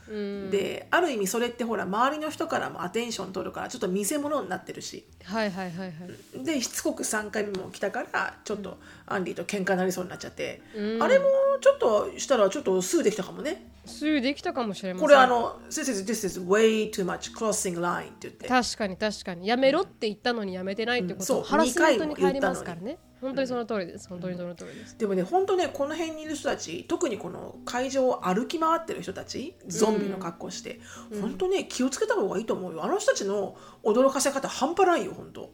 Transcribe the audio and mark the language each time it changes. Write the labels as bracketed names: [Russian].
[Japanese] うん、である意味それってほら周りの人からもアテンション取るからちょっと見せ物になってるし、はいはいはいはい、でしつこく3回目も来たからちょっとアンディと喧嘩になりそうになっちゃって、うん、あれもちょっとしたらちょっとスーできたかもね。スーできたかもしれません。これあの [English] This is, this is way too much crossing line [Japanese] って言って、確かに確かに、やめろって言ったのにやめてないってこと、うん、ハラスメントに変わりますからね。本当にその通りです、うん、本当にその通りです、うん、でもね本当ね、この辺にいる人たち、特にこの会場を歩き回ってる人たち、ゾンビの格好して、うん、本当ね気をつけた方がいいと思うよ。あの人たちの驚かせ方半端ないよ本当。